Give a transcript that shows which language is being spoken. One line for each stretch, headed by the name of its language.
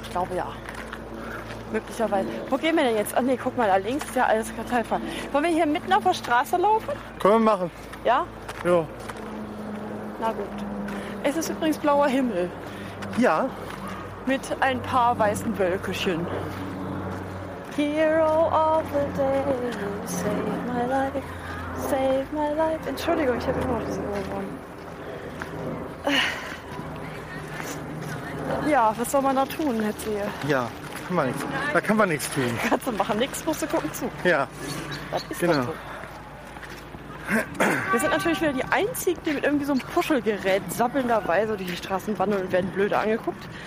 German: Ich glaube ja. Möglicherweise. Wo gehen wir denn jetzt? Oh, nee, guck mal, da links ist ja alles total voll. Wollen wir hier mitten auf der Straße laufen? Können wir machen. Ja? Ja. Na gut. Es ist übrigens blauer Himmel. Ja. Mit ein paar weißen Wölkchen.
English: Hero of the day, save my life.
German: Entschuldigung, ich habe immer noch diese Ohren. Ja, was soll man da tun, Hetzi? Ja, kann man nichts. Da kann man nichts tun. Kannst du machen, nichts, musst du gucken zu. Ja, das ist genau. Doch so. Wir sind natürlich wieder die Einzigen, die mit irgendwie so einem Puschelgerät sabbelnderweise durch die Straßen wandeln und werden blöde angeguckt.